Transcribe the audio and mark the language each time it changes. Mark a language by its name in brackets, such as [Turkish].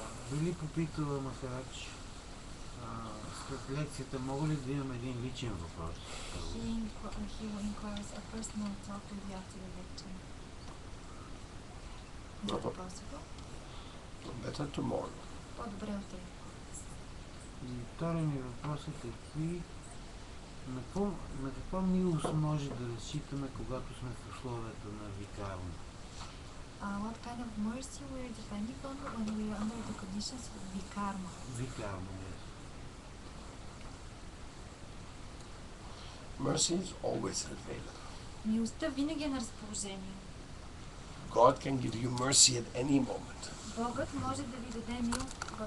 [Bulgarian] Били попитала Махарадж, след лекцията мога ли да имам един личен въпрос? [English] He will inquire a personal talk to you after the lecture. Is that possible? Better tomorrow. [Bulgarian] По-добре утре. И втори ми въпрос е какви, на каква милост може да разчитаме, когато сме в условията на викарма? [English] What kind of mercy we are depending on when we are under the conditions of викарма? Викарма, yes. Mercy is always available. [Bulgarian] Милостта винаги е на разположение. [English] God can give you mercy at any moment. [Bulgarian] Богът може да ви даде милост.